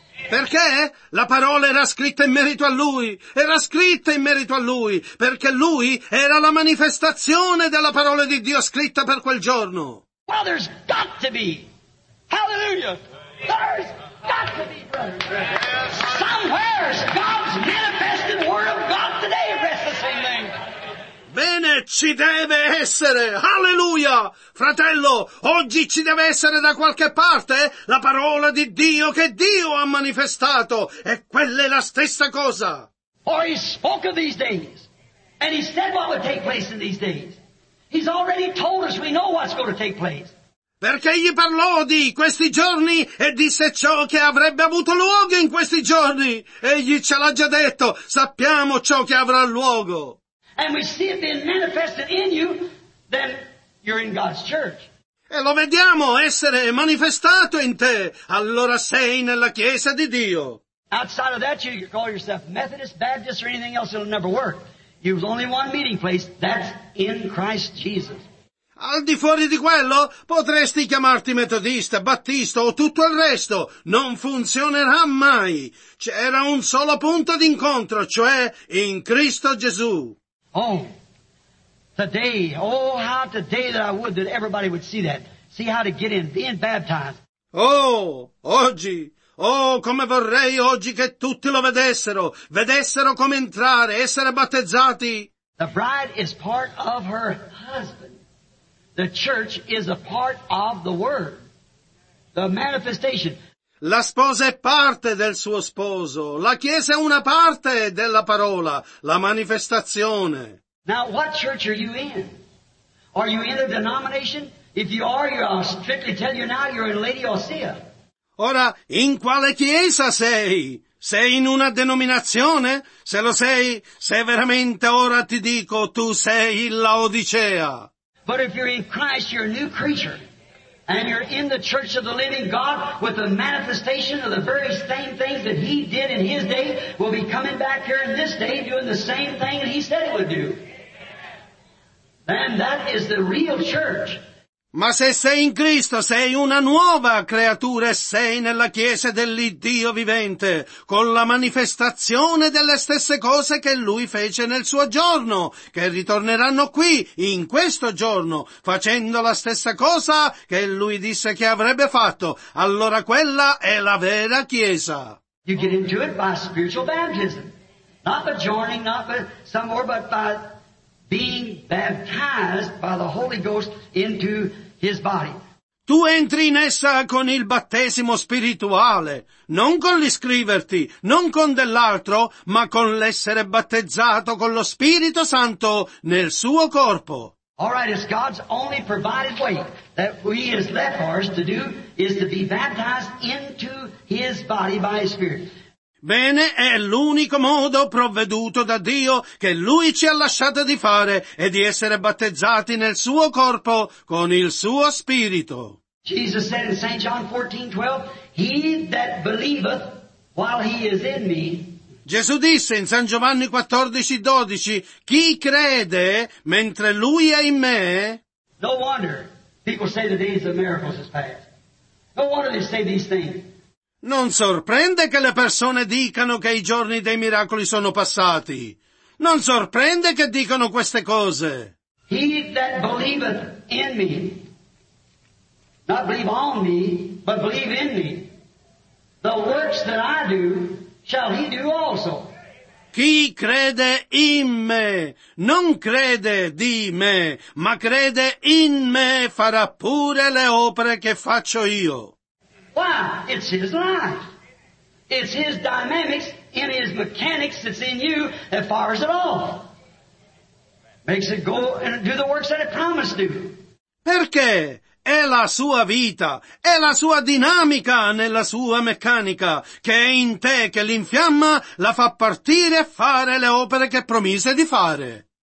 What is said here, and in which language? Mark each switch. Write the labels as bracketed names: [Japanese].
[Italian] Perché la parola era scritta in merito a lui, era scritta in merito a lui, perché lui era la manifestazione della parola di Dio scritta per quel giorno. [English] Well, there's got to be, hallelujah, there's got to be, brother, somewhere's God's manifested word of God today, rest the same thing. [Italian] Bene, ci deve essere, alleluia, fratello, oggi ci deve essere da qualche parte la parola di Dio che Dio ha manifestato, e quella è la stessa cosa. [English] Or he spoke of these days, and he said what would take place in these days. He's already told us, we know what's going to take place. [Italian] Perché gli parlò di questi giorni e disse ciò che avrebbe avuto luogo in questi giorni. Egli ce l'ha già detto, sappiamo ciò che avrà luogo. [English] And we see it being manifested in you, then you're in God's church. [Italian] E lo vediamo essere manifestato in te, allora sei nella Chiesa di Dio. [English] Outside of that, you can call yourself Methodist, Baptist, or anything else, it'll never work. There's only one meeting place, that's in Christ Jesus. [Italian] Al di fuori di quello, potresti chiamarti metodista, battista o tutto il resto. Non funzionerà mai. C'era un solo punto d'incontro, cioè in Cristo Gesù. [English] Oh, today, oh, how today that I would that everybody would see that. See how to get in, being baptized. [Italian] Oh, oggi. Oh, come vorrei oggi che tutti lo vedessero. Vedessero come entrare, essere battezzati. [English] The bride is part of her husband. The church is a part of the word. The manifestation. [Italian] La sposa è parte del suo sposo. La chiesa è una parte della parola, la manifestazione. [English] Now, what church are you in? Are you in a denomination? If you are, I'll strictly tell you now, you're in Lady Osea. [Italian] Ora, in quale chiesa sei? Sei in una denominazione? Se lo sei, se veramente ora ti dico, tu sei in Laodicea. [English] But if you're in Christ, you're a new creature. And you're in the church of the living God with the manifestation of the very same things that he did in his day will be coming back here in this day doing the same thing that he said it would do. And that is the real church. [Italian] Ma se sei in Cristo, sei una nuova creatura e sei nella Chiesa dell'Iddio vivente, con la manifestazione delle stesse cose che Lui fece nel suo giorno, che ritorneranno qui, in questo giorno, facendo la stessa cosa che Lui disse che avrebbe fatto. Allora quella è la vera Chiesa. [English] You get into it by spiritual baptism. Not by joining, not by some more, but by being baptized by the Holy Ghost into his body. [Italian] Tu entri in essa con il battesimo spirituale, non con l'iscriverti, non con dell'altro, ma con l'essere battezzato con lo Spirito Santo nel suo corpo. [English] All right, it's God's only provided way that we as left for us to do is to be baptized into his body by his Spirit. [Italian] Bene, è l'unico modo provveduto da Dio che Lui ci ha lasciato di fare e di essere battezzati nel Suo corpo con il Suo Spirito. [English] Jesus said in St. John 14:12, he that believeth while he is in me. [Italian] Gesù disse in San Giovanni 14:12, chi crede mentre Lui è in me. [English] No wonder people say the days of miracles is past. No wonder they say these things. [Italian] Non sorprende che le persone dicano che i giorni dei miracoli sono passati. Non sorprende che dicano queste cose. [English] He that believeth in me, not believe on me, but believe in me, the works that I do, shall he do also. [Italian] Chi crede in me, non crede di me, ma crede in me, farà pure le opere che faccio io. [English] Why? It's his life. It's his dynamics and his mechanics that's in you that fires it off. Makes it go and do the works that it promised to. [Italian] Perché? È la sua vita, è la sua dinamica nella sua meccanica, che è in te, che l'infiamma, la fa partire e fare le opere che promise di fare.